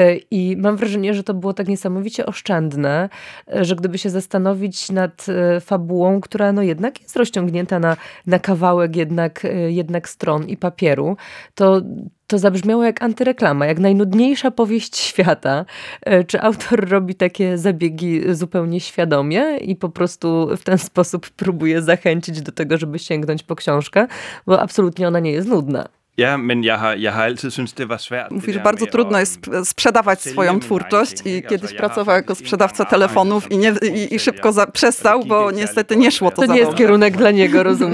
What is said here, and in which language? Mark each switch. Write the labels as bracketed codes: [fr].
[pl] I mam wrażenie, że to było tak niesamowicie oszczędne, że gdyby się zastanowić nad fabułą, która no jednak jest rozciągnięta na kawałek jednak stron i papieru, to zabrzmiało jak antyreklama, jak najnudniejsza powieść świata. Czy autor robi takie zabiegi zupełnie świadomie i po prostu w ten sposób próbuje zachęcić do tego, żeby sięgnąć po książkę, bo absolutnie ona nie jest nudna. [da] Ja, men jeg har altid syntes, det var svært. [pl] Mówi, że bardzo trudno jest sprzedawać swoją twórczość i kiedyś pracował jako sprzedawca telefonów i szybko przestał, bo niestety nie szło to za dobrze. To nie jest kierunek dla niego, rozumiem.